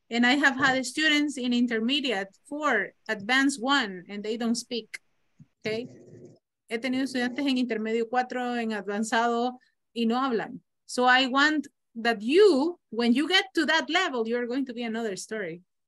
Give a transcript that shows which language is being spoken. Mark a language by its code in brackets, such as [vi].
[en] And I have had students in intermediate 4, advanced 1, and they don't speak, okay? [es] He tenido estudiantes en intermedio 4, en avanzado, y no hablan. [en] So I want that you, when you get to that level, you are going to be another story.